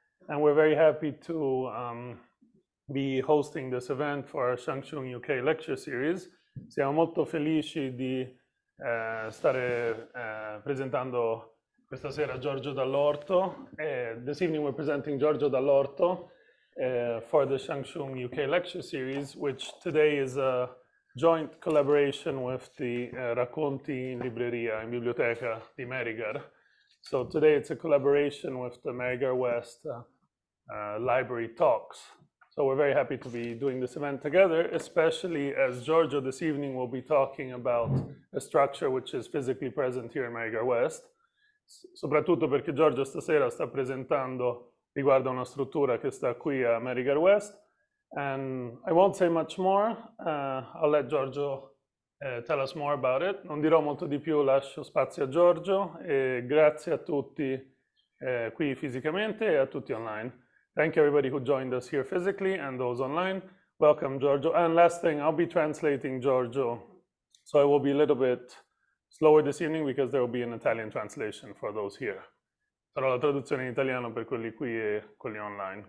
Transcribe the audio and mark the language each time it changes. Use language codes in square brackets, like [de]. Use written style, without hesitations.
[en] And we're very happy to be hosting this event for our Shangchung UK lecture series. [it] Siamo molto felici di stare presentando questa sera Giorgio Dall'Orto. [en] This evening we're presenting Giorgio Dall'Orto. For the Shangchung UK Lecture Series, which today is a joint collaboration with the Racconti in Libreria, in Biblioteca di Merigar. So today it's a collaboration with the Merigar West Library Talks. So we're very happy to be doing this event together, especially as Giorgio this evening will be talking about a structure which is physically present here in Merigar West. [it] Soprattutto perché Giorgio stasera sta presentando riguarda una struttura che sta qui a Merigar West. [en] And I won't say much more. I'll let Giorgio tell us more about it. [it] Non dirò molto di più, lascio spazio a Giorgio. E grazie a tutti qui fisicamente e a tutti online. [en] Thank you everybody who joined us here physically and those online. Welcome, Giorgio. And last thing, I'll be translating Giorgio. So I will be a little bit slower this evening because there will be an Italian translation for those here. [it] Farò la traduzione in italiano per quelli qui e quelli online.